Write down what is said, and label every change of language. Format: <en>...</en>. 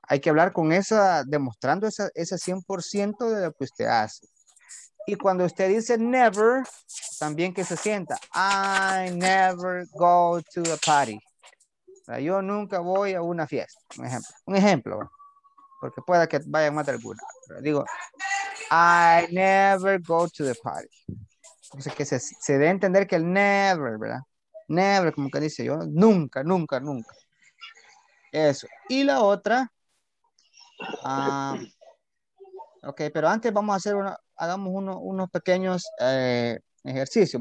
<es>Hay que hablar con esa, demostrando esa 100% de lo que usted hace. Y cuando usted dice never, también que se sienta,</es> <en>I never go to a party.</en> <es>O sea, yo nunca voy a una fiesta. Un ejemplo, porque pueda que vaya más de alguna. Pero digo,</es> <en>I never go to the party.</en> <es>O sea, que se debe entender que el never, ¿verdad? Never, como que dice yo, nunca. Eso. Y la otra, ok, pero antes vamos a hacer unos pequeños ejercicios.</es>